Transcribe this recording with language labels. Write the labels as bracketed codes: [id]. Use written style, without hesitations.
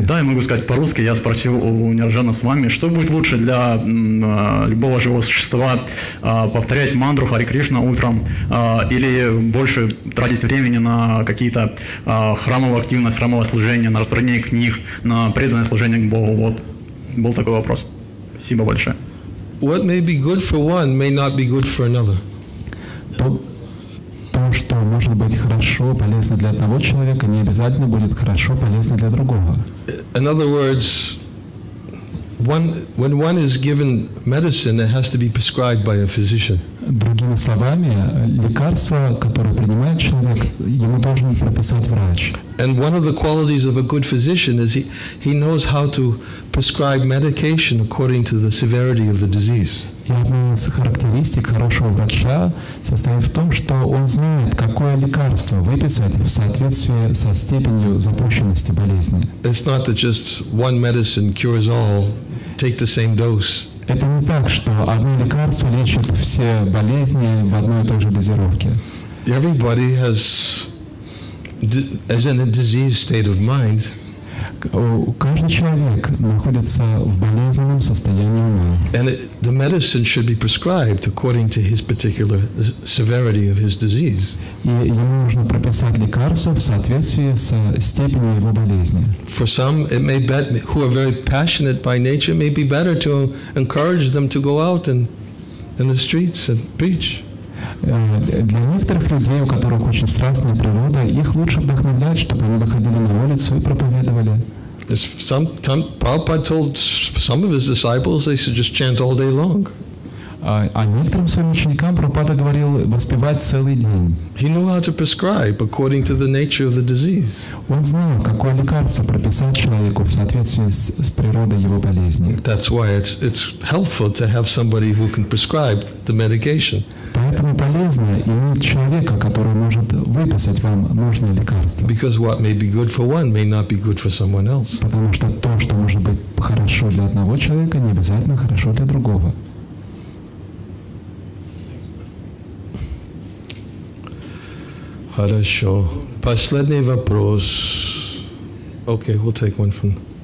[ru] Да, я могу сказать по-русски. Я спросил у Ниранджана Свами, что будет лучше для любого живого существа, повторять мантру Хари Кришна утром или больше тратить времени на какие-то храмовые активности, храмовое служение, на распространение книг, на преданное служение к Богу. Вот был такой вопрос. Спасибо большое. [en] What may be good for one may not be good for another. [ru] Что может быть хорошо, полезно для одного человека, не обязательно будет хорошо, полезно для другого. [en] In other words, when one is given medicine, it has to be prescribed by a physician. [ru] Другими словами, лекарство, которое принимает человек, ему должен прописать врач. [en] And one of the qualities of a good physician is he knows how to prescribe medication according to the severity of the disease. [ru] И одна из характеристик хорошего врача состоит в том, что он знает, какое лекарство выписать в соответствии со степенью запущенности болезни. [en] It's not that just one medicine cures all, take the same dose. [ru] Это не так, что одно лекарство лечит все болезни в одной и той же дозировке. [en] Everybody has, as in a disease state of mind, [ru] каждый человек находится в болезненном состоянии ума. [en] And the medicine should be prescribed according to his particular severity of his disease. [ru] И ему нужно прописать лекарство в соответствии со степенью его болезни. [en] For some, it may be, who are very passionate by nature, may be better to encourage them to go out and in the streets and preach. [ru] Для некоторых людей, у которых очень страстная природа, их лучше вдохновлять, чтобы они выходили на улицу и проповедовали. [en] Prabhupada told some of his disciples they should just chant all day long. [ru] А некоторым своим ученикам Прабхупада говорил воспевать целый день. [en] He knew how to prescribe according to the nature of the disease. [ru] Он знал, какое лекарство прописать человеку в соответствии с природой его болезни. [en] That's why it's helpful to have somebody who can prescribe the medication. [ru] Поэтому полезно иметь человека, который может выписать вам нужное лекарство. [en] Because what may be good for one may not be good for someone else. [ru] Потому что то, что может быть хорошо для одного человека, не обязательно хорошо для другого. Хорошо. Последний вопрос. [en] Okay, we'll take one from...